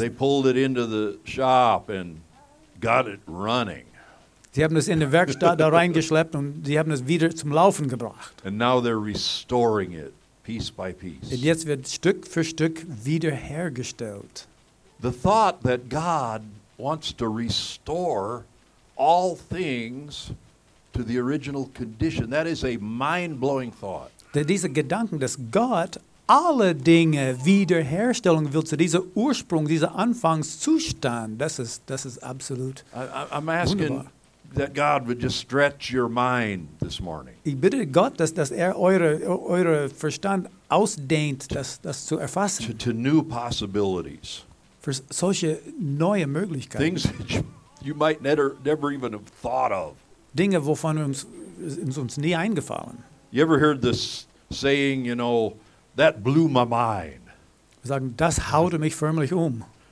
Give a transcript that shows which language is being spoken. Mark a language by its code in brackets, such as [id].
[en] They pulled it into the shop and got it running. [de] Sie haben es in die Werkstatt da reingeschleppt und sie haben es wieder zum Laufen gebracht. [en] And now they're restoring it piece by piece. [de] Und jetzt wird Stück für Stück wiederhergestellt. [en] The thought that God wants to restore all things to the original condition, that is a mind-blowing thought. [de] Dieser Gedanken, dass Gott alle Dinge wiederherstellen will, zu dieser Ursprung, dieser Anfangszustand, das ist absolut [en] I'm asking [de] wunderbar. [en] That God would just stretch your mind this morning. [de] Ich bitte Gott, dass eure Verstand ausdehnt, das zu erfassen. [en] To new possibilities. [de] Für solche neue Möglichkeiten. [en] Things that you might never even have thought of. [de] Dinge, wovon uns nie eingefallen. [en] You ever heard this saying, you know, that blew my mind. [de] Wir sagen, das haute mich förmlich um.